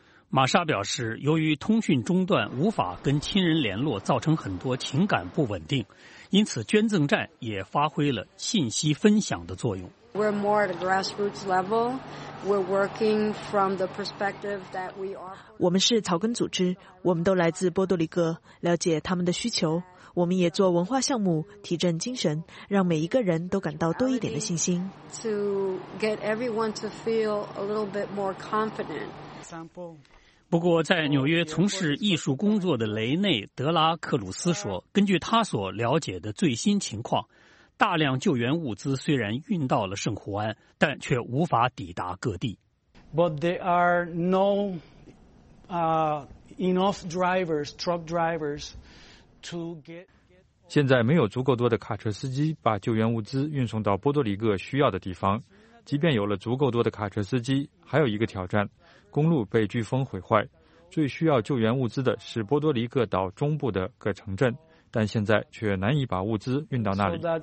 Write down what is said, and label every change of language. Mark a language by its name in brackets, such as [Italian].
[Chinese] 玛莎表示，由于通讯中断，无法跟亲人联络，造成很多情感不稳定，因此捐赠站也发挥了信息分享的作用。 [English] We're more at a grassroots level. We're working from the perspective that we are. [Chinese] 我们是草根组织，我们都来自波多黎各，了解他们的需求。我们也做文化项目，提振精神，让每一个人都感到多一点的信心。 [English] To get everyone to feel a little bit more confident. [Chinese] 不过在纽约从事艺术工作的雷内·德拉克鲁斯说，根据他所了解的最新情况，大量救援物资虽然运到了圣胡安，但却无法抵达各地。 [English] But there are no enough drivers, truck drivers to get [Chinese] 现在没有足够多的卡车司机把救援物资运送到波多黎各需要的地方。即便有了足够多的卡车司机，还有一个挑战，公路被飓风毁坏，最需要救援物资的是波多黎各岛中部的各城镇，但现在却难以把物资运到那里。